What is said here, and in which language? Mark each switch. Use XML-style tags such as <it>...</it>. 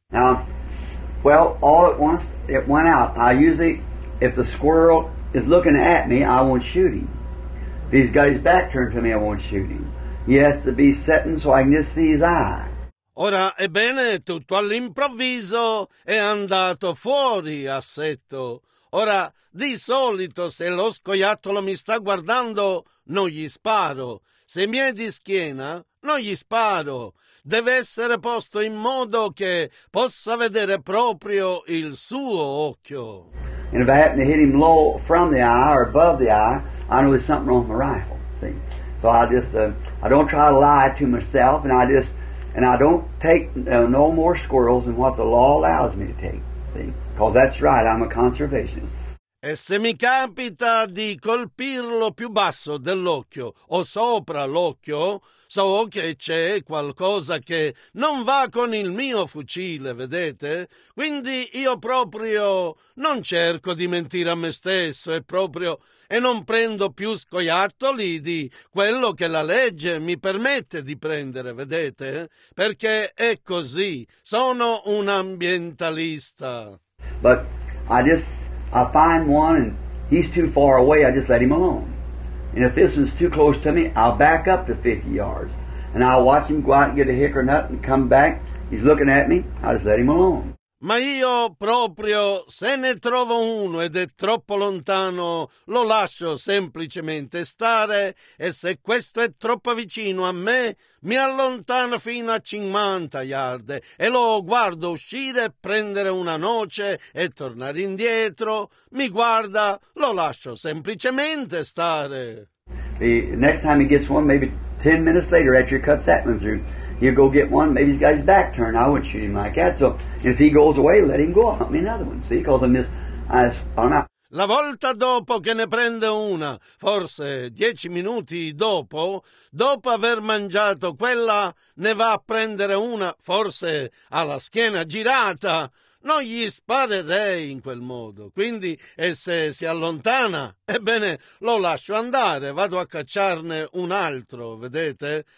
<en>Now, well, all at once it went out. I usually, if the squirrel is looking at me, I won't shoot him. If he's got his back turned to me, I won't shoot him. He has to be sitting so I can just see his eye.</en> <it>Ora, ebbene, tutto all'improvviso è andato fuori assetto. Ora, di solito, se lo scoiattolo mi sta guardando, non gli sparo. Se mi è di schiena, non gli sparo. Deve essere posto in modo che possa vedere proprio il suo occhio.</it> <en>And if I happen to hit him low from the eye or above the eye, I know there's something wrong with my rifle, see? So I don't try to lie to myself, and I don't take no more squirrels than what the law allows me to take, see? Because that's right, I'm a conservationist.</en> <it>E se mi capita di colpirlo più basso dell'occhio o sopra l'occhio, so che c'è qualcosa che non va con il mio fucile, vedete? Quindi io proprio non cerco di mentire a me stesso e non prendo più scoiattoli di quello che la legge mi permette di prendere, vedete? Perché è così, sono un ambientalista.</it> <en>But I find one and he's too far away, I just let him alone. And if this one's too close to me, I'll back up to 50 yards. And I'll watch him go out and get a hickory nut and come back. He's looking at me, I just let him alone.</en> <it>Ma io proprio, se ne trovo uno ed è troppo lontano, lo lascio semplicemente stare, e se questo è troppo vicino a me, mi allontano fino a 50 yard e lo guardo uscire, prendere una noce e tornare indietro. Mi guarda, lo lascio semplicemente stare.</it> <en>The next time he gets one, maybe 10 minutes later after he cuts that one through, he'll go get one, maybe he's got his back turned. I wouldn't shoot him like that. So if he goes away, let him go. Hunt me another one. See, because I'm just...</en> <it>La volta dopo che ne prende una, forse 10 minuti dopo, dopo aver mangiato quella, ne va a prendere una, forse alla schiena girata. Non gli sparerei in quel modo. Quindi, e se si allontana, ebbene, lo lascio andare, vado a cacciarne un altro, vedete?</it>